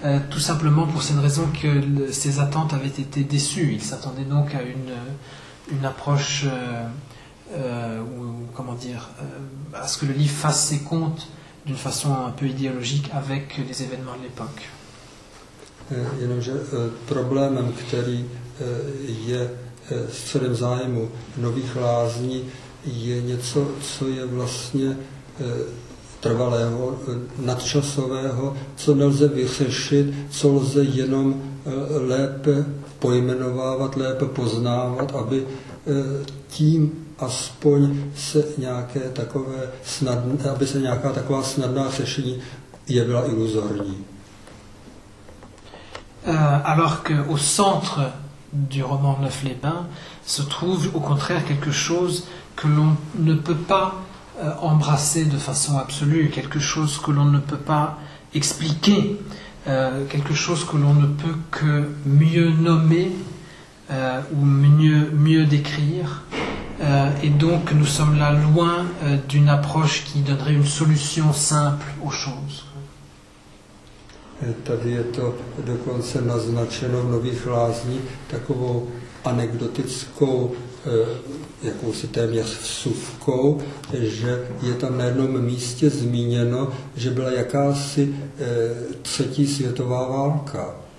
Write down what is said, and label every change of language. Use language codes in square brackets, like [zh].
[fr] Tout simplement pour cette raison que ses attentes avaient été déçues. Il s'attendait donc à une approche, à ce que le livre fasse ses comptes d'une façon un peu idéologique avec les événements de l'époque. [cs] Jenomže problémem, který je středem zájmu Nových lázní, je něco, co je vlastně trvalého, nadčasového, co nelze vyřešit, co lze jenom lépe pojmenovávat, lépe poznávat, aby tím aspoň se nějaké takové snadné, aby se nějaká taková snadná řešení jevila iluzorní. [fr] Alors que au centre du roman Neuf-les-Bains se trouve au contraire quelque chose que l'on ne peut pas embrasser de façon absolue, quelque chose que l'on ne peut pas expliquer, quelque chose que l'on ne peut que mieux nommer ou mieux décrire. Et donc nous sommes là loin d'une approche qui donnerait une solution simple aux choses. [cs] Tady je to dokonce naznačeno v Nových lázních takovou anekdotickou jakousi téměř vsuvkou, že je tam na jednom místě zmíněno, že byla jakási třetí světová válka.